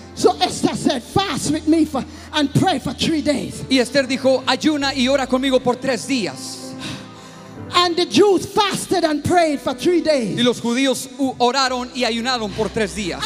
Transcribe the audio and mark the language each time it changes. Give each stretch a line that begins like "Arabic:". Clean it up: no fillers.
English: So Esther said, fast with me for and pray for 3 days.
Spanish: Y Esther dijo, ayuna y ora conmigo por 3 días.
English: And the Jews fasted and prayed for 3 days.
Spanish: Y los judíos oraron y ayunaron por 3 días.